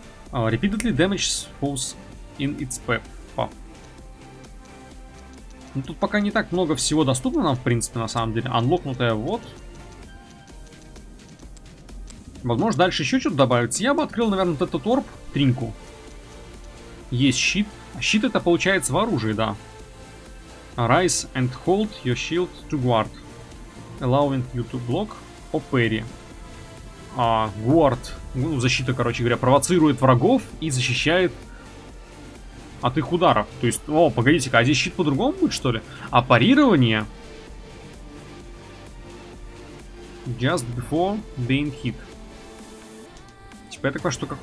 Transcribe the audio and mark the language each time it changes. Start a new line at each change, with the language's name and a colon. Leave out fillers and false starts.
English: Repeatedly damage falls in its path.
Russian: Ну, тут пока не так много всего доступно нам, в принципе, на самом деле. Анлокнутая вот. Возможно, дальше еще что-то добавится. Я бы открыл, наверное, вот этот орб, тринку. Есть щит. Щит это получается в оружии, да.
English: Rise and hold your shield to guard. Allowing you to block or parry. Guard.
Russian: Ну, защита, короче говоря, провоцирует врагов и защищает от их ударов. То есть, о, погодите-ка, а здесь щит по-другому будет, что ли? А парирование...
English: Just before being hit.
Russian: Типа, я так понимаю, что... Как...